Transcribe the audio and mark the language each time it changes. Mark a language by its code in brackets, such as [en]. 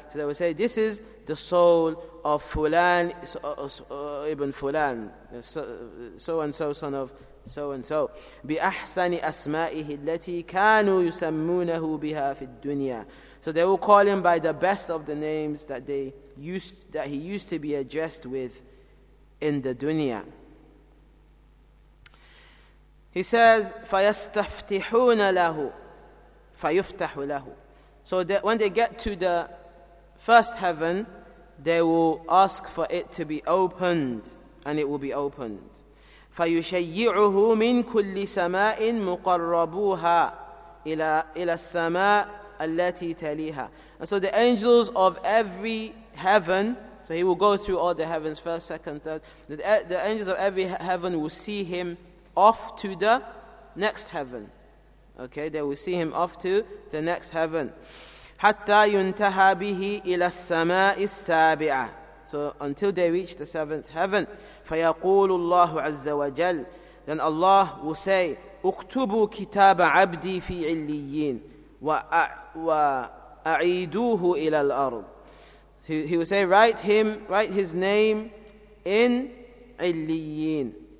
[en] So they will say, this is the soul of Fulan ibn Fulan, so-and-so son of so and so. [ar] بِأَحْسَنِ أَسْمَائِهِ الَّتِي كَانُوا يُسَمُّونَهُ بِهَا فِي الدُّنْيَا. [en] So they will call him by the best of the names that he used to be addressed with in the dunya. He says, [ar] فَيَسْتَفْتِحُونَ لَهُ فَيُفْتَحُ لَهُ. [en] So that when they get to the first heaven, they will ask for it to be opened, and it will be opened. [ar] فَيُشَيِّعُهُ مِنْ كُلِّ سَمَاءٍ مُقَرَّبُوهَا إِلَى السَّمَاءِ الَّتِي تَلِيهَا. [en] And so the angels of every heaven, so he will go through all the heavens, first, second, third, the angels of every heaven will see him off to the next heaven. Okay, they will see him off to the next heaven. [ar] حَتَّى يُنْتَهَى بِهِ إِلَى السَّمَاءِ السَّابِعَةِ. [en] So until they reach the seventh heaven. [ar] فَيَقُولُ اللَّهُ عَزَّ وَجَلْ. [en] Then Allah will say, [ar] اُكْتُبُوا كِتَابَ عَبْدِي فِي عِلِّيِّينَ وَأَعِيدُوهُ إِلَى الْأَرْضِ. [en] He will say, write his name in عِلِّيِّينَ.